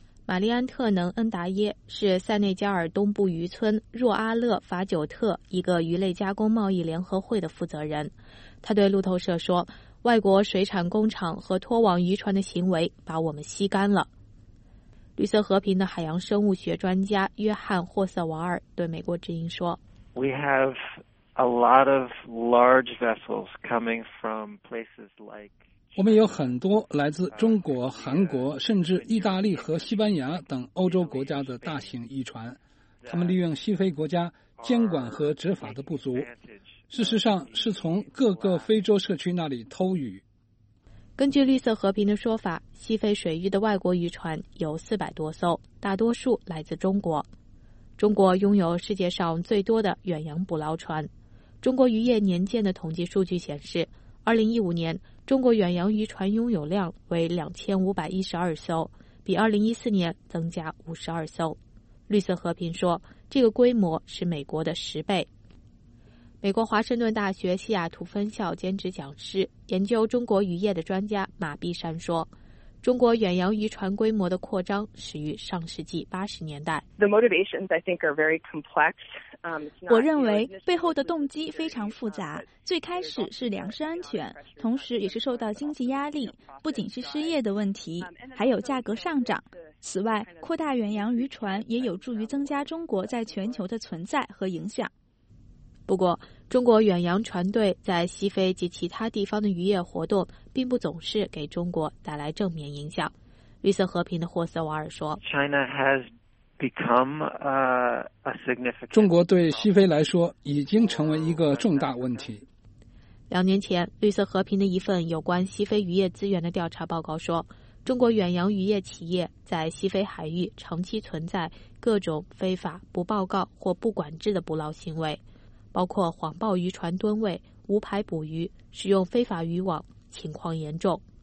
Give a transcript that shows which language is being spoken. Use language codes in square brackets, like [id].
[zh] 玛丽安特能恩达耶是塞内加尔东部渔村若阿勒法久特一个鱼类加工贸易联合会的负责人，他对路透社说，外国水产工厂和拖网渔船的行为把我们吸干了。绿色和平的海洋生物学专家约翰霍瑟瓦尔对美国之音说， [en] We have a lot of large vessels coming from places like [zh] 我们有很多来自中国、韩国甚至意大利和西班牙等欧洲国家的大型渔船，他们利用西非国家监管和执法的不足，事实上是从各个非洲社区那里偷鱼。根据绿色和平的说法，西非水域的外国渔船有400多艘，大多数来自中国。中国拥有世界上最多的远洋捕捞船。中国渔业年鉴的统计数据显示，2015年中国远洋渔船拥有量为2512艘，比2014年增加52艘。绿色和平说，这个规模是美国的10倍。美国华盛顿大学西雅图分校兼职讲师、研究中国渔业的专家马碧山说，中国远洋渔船规模的扩张始于上世纪80年代。 [en] The motivations, I think, are very complex. [zh] 我认为背后的动机非常复杂，最开始是粮食安全，同时也是受到经济压力，不仅是失业的问题，还有价格上涨。此外，扩大远洋渔船也有助于增加中国在全球的存在和影响。不过，中国远洋船队在西非及其他地方的渔业活动并不总是给中国带来正面影响。绿色和平的霍瑟瓦尔说， [en] China has become a significant [zh] 中国对西非来说已经成为一个重大问题。 2年前，绿色和平的一份有关西非渔业资源的调查报告说，中国远洋渔业企业在西非海域长期存在各种非法、不报告或不管制的捕捞行为，包括谎报渔船吨位、无牌捕鱼、使用非法渔网，情况严重。